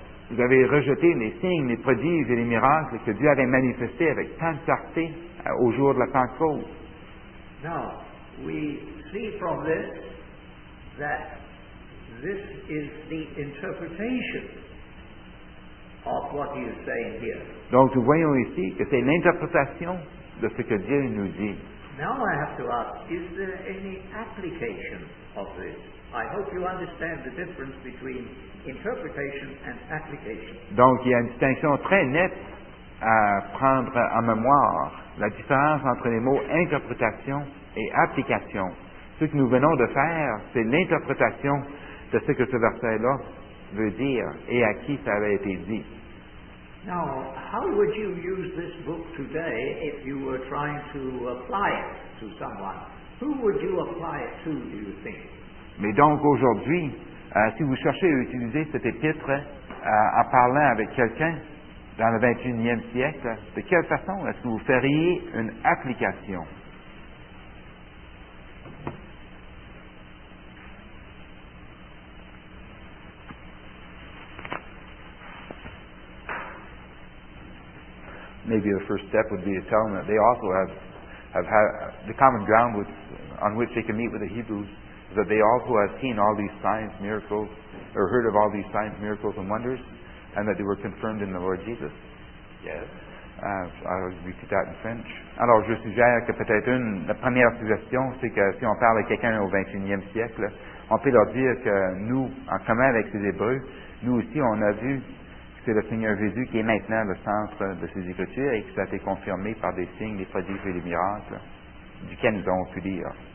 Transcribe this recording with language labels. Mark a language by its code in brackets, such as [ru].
[fr] Vous avez rejeté les signes, les prodiges et les miracles que Dieu avait manifestés avec tant de clarté au jour de la Pentecôte. [en] Now, we see from this that this is the interpretation of what he is saying here. [fr] Donc, nous voyons ici que c'est l'interprétation de ce que Dieu nous dit. [en] Now I have to ask, is there any application of this? I hope you understand the difference between interpretation and application. [fr] Donc, il y a une distinction très nette à prendre en mémoire, la différence entre les mots interprétation et application. Ce que nous venons de faire, c'est l'interprétation de ce que ce verset-là veut dire et à qui ça avait été dit. [en] Now, how would you use this book today if you were trying to apply it to someone? Who would you apply it to, do you think? [fr] Mais donc aujourd'hui, si vous cherchez à utiliser cette épître en parlant avec quelqu'un dans le 21e siècle, de quelle façon est-ce que vous feriez une application? [en] Maybe the first step would be to tell them that they also have the common ground on which they can meet with the Hebrews, that they also have seen all these signs, miracles, or heard of all these signs, miracles, and wonders, and that they were confirmed in the Lord Jesus. Yes. I'll repeat that in French. [fr] Alors, je suggère que peut-être une la première suggestion, c'est que si on parle à quelqu'un au 21e siècle, on peut leur dire que nous, en commun avec les Hébreux, nous aussi, on a vu c'est le Seigneur Jésus qui est maintenant le centre de ces écritures et que ça a été confirmé par des signes, des prodiges et des miracles duquel nous avons pu lire.